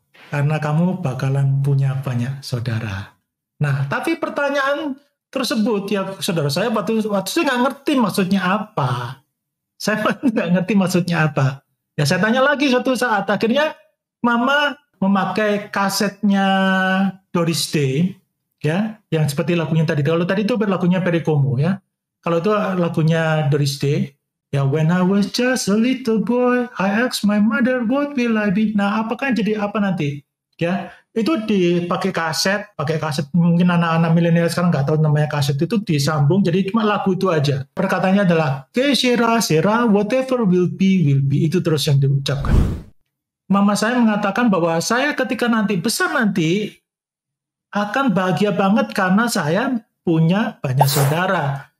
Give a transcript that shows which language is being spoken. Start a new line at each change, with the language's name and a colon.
Indonesian: Karena kamu bakalan punya banyak saudara. Nah, tapi pertanyaan tersebut ya saudara saya waktu itu nggak ngerti maksudnya apa. Saya nggak ngerti maksudnya apa. Ya saya tanya lagi suatu saat. Akhirnya mama memakai kasetnya Doris Day, ya, yang seperti lagunya tadi. Kalau tadi itu berlagunya Perry Como, ya. Kalau itu lagunya Doris Day, ya,
English: when I was just a little boy, I asked my mother, what will I be?
Indonesian: Nah, apakah jadi apa nanti? Ya, itu dipakai kaset, pakai kaset. Mungkin anak-anak milenial sekarang nggak tahu namanya kaset itu, disambung. Jadi cuma lagu itu aja. Perkataannya adalah,
Spanish: que sera, sera,
English: whatever will be,
Indonesian: itu terus yang diucapkan. Mama saya mengatakan bahwa saya ketika nanti besar nanti akan bahagia banget karena saya punya banyak saudara.